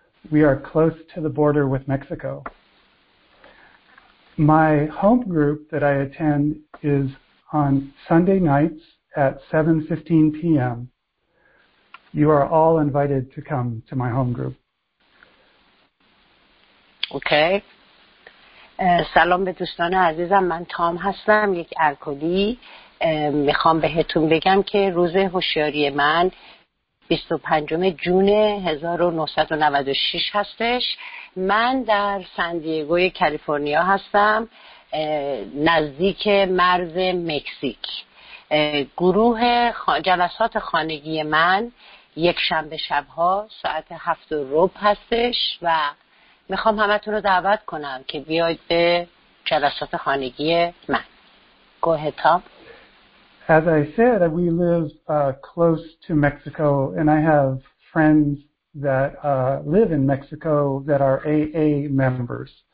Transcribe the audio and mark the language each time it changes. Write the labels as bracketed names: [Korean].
[English] We are close to the border with Mexico. My home group that I attend is on Sunday nights at 7:15 p.m. You are all invited to come to my home group. Okay. [Persian] سلام به دوستان عزیزم، من تام هستم، یک الکلی. میخوام بهتون بگم که روز هوشیاری من 25 جون 1996 هستش. من در سان دیگو کالیفرنیا هستم، نزدیک مرز مکزیک. گروه جلسات خانگی من یک شنبه شبها ساعت 7:30 هستش و میخوام همتون رو دعوت کنم که بیاید به جلسات خانگی من. گوه تام. [English] As I said, we live close to Mexico, and I have friends that live in Mexico that are AA members.